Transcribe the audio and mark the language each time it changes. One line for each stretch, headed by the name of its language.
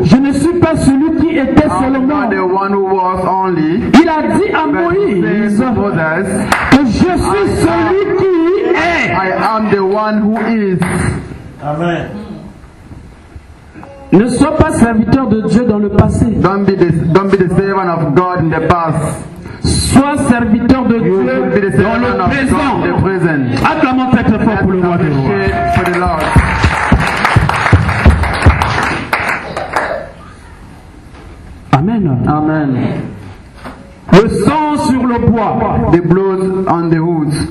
French: Je ne suis pas celui qui était seulement.
English: The one who was only.
French: Il a dit à Moïse
English: Moses,
French: que je suis celui qui est.
English: I am the one who is. Amen.
French: Ne sois pas serviteur de Dieu dans le passé.
English: Don't be the servant of God in the past.
French: Sois serviteur de Dieu dans le présent.
English: The present.
French: Acclamons très très fort pour le roi des rois. Amen. Amen. Le sang sur le bois.
English: The blood on the wood.